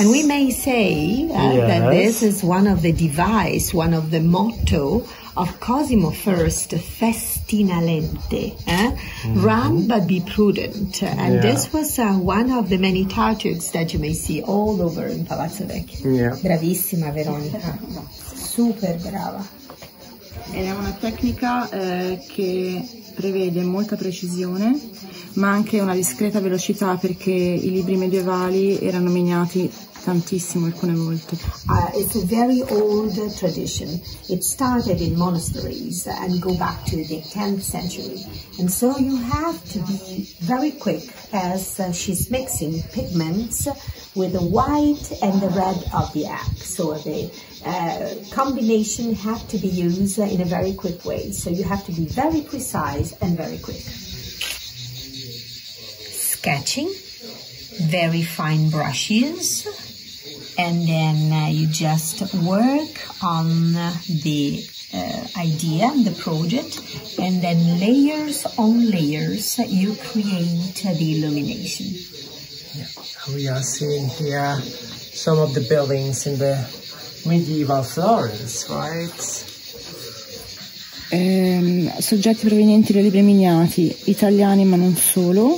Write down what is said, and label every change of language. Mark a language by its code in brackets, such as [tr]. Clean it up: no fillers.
[en] And we may say that this is one of the device, one of the motto of Cosimo I, Festinalente, run but be prudent. And this was one of the many tattoos that you may see all over in Palazzo Vecchio. Yeah. [it] Bravissima, Veronica. Super brava. È una tecnica che prevede molta precisione, ma anche una discreta velocità, perché I libri medievali erano miniati tantissimo alcune volte. [en] It's a very old tradition. It started in monasteries and go back to the 10th century. And so you have to be very quick, as she's mixing pigments with the white and the red of the axe. So the combination have to be used in a very quick way. So you have to be very precise and very quick. Sketching, very fine brushes. And then you just work on the idea, the project, and then layers on layers, you create the illumination. Yeah. We are seeing here some of the buildings in the medieval Florence, right? [it] Soggetti provenienti dai libri miniati, italiani ma non solo.